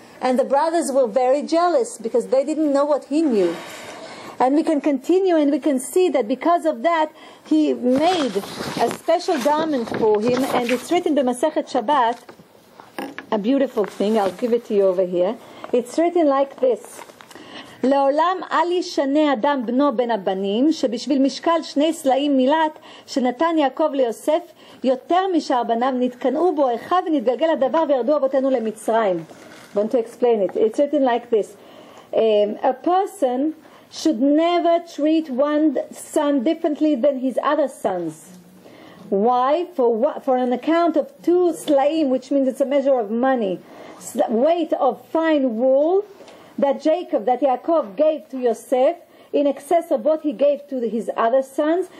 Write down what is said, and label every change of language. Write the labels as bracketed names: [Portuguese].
[English] And the brothers were very jealous because they didn't know what he knew. And we can continue and we can see that because of that, he made a special garment for him. And it's written in the Masechet Shabbat, a beautiful thing. I'll give it to you over here. It's written like this. [Hebrew] לעולם אל ישנה אדם בנו בן הבנים שבשביל משקל שני סלעים מילת שנתן יעקב ליוסף יותר משאר בניו נתקנאו בו אחיו ונתגלגל הדבר וירדו אבותינו למצרים. [English] Want to explain it. It's written like this. A person should never treat one son differently than his other sons. Why? For an account of two slaim, which means it's a measure of money, weight of fine wool, that Yaakov gave to Yosef in excess of what he gave to his other sons.